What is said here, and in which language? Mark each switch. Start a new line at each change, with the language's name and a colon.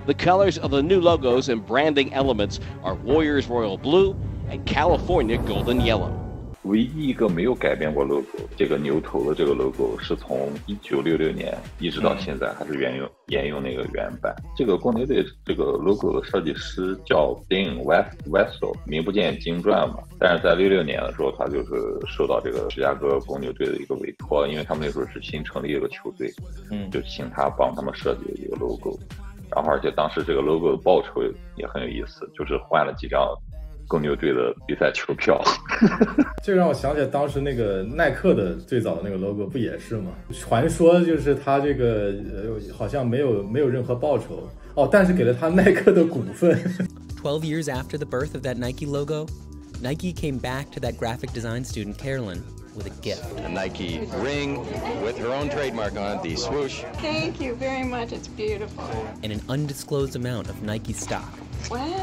English: The colors of the new logos and branding elements are Warriors Royal Blue and California Golden Yellow.
Chinese: 唯一一个没有改变过 logo， 这个牛头的这个 logo 是从1966年一直到现在还是沿用那个原版。这个公牛队这个 logo 的设计师叫 Dean Wessel， 名不见经传嘛。但是在66年的时候，他就是受到这个芝加哥公牛队的一个委托，因为他们那时候是新成立一个球队，就请他帮他们设计一个 logo。然后而且当时这个 logo 的报酬也很有意思，就是换了几张。公牛队的比赛球票。这让我想起当时那个耐克的最早的那个 logo 不也是吗？传说就是他这个、好像没有任何报酬哦，但是给了他耐克的股份。
English: 12 years after the birth of that Nike logo, Nike came back to that graphic design student Carolyn with a gift. A Nike ring with her own trademark on the swoosh. Thank you very much, it's beautiful. And an undisclosed amount of Nike stock. Wow.